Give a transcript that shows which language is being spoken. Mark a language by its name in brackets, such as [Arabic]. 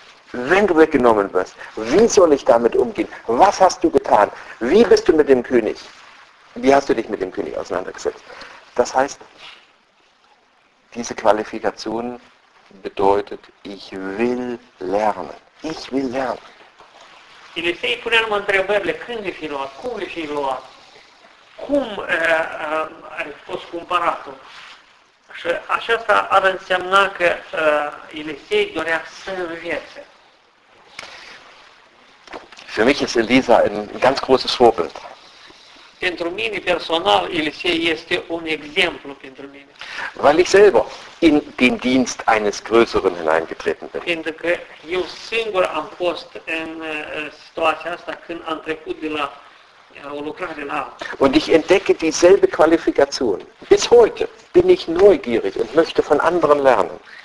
[German] Wenn du weggenommen wirst, wie soll ich damit umgehen? Was hast du getan? Wie bist du mit dem König? Wie hast du dich mit dem König auseinandergesetzt? Das heißt, diese Qualifikation bedeutet, ich will lernen. Ich will lernen. [Romanian] Elisei îi punea numai întrebările, când îi fi luat, cum îi fi luat, cum ai fost cumpăratul. Și aceasta ar însemna că Elisei dorea să învețe. [German] Für mich ist Elisa ein ganz großes Vorbild. [Romanian] Pentru mine personal, Elisei este un exemplu pentru mine. [German] Weil ich selber in den Dienst eines Größeren hineingetreten bin. [Romanian] Pentru că eu singur am fost în situația asta când am trecut de la o lucrare la altă. [German] Und ich entdecke dieselbe Qualifikation. Bis heute bin ich neugierig und möchte von anderen lernen.